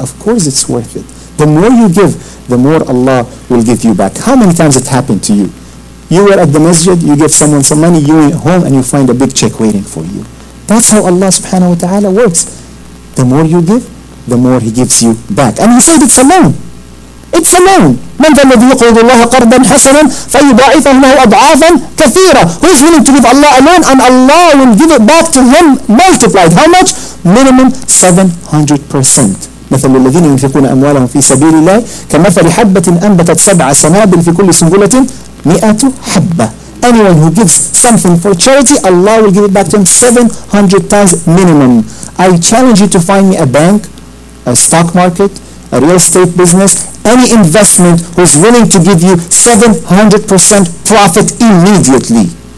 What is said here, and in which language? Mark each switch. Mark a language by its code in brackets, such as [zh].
[en] Of course it's worth it. The more you give, the more Allah will give you back. How many times it happened to you? You were at the masjid, you give someone some money, you went home and you find a big check waiting for you. That's how Allah subhanahu wa ta'ala works. The more you give, the more He gives you back. And He said it's a loan. It's a loan. [ar] من ذا الذي يقرض الله قرضا حسنا فيضاعفه له اضعافا كثيره. [en] Who is willing to give Allah a loan and Allah will give it back to him multiplied? How much? Minimum 700%. [ar] مثل الذين ينفقون اموالهم في سبيل الله كمثل حبه انبتت سبع سنابل في كل سنبله 100 حبه. [en] Anyone who gives something for charity, Allah will give it back to him 700 times minimum. I challenge you to find me a bank, a stock market, a real estate business, any investment who's willing to give you 700% profit immediately.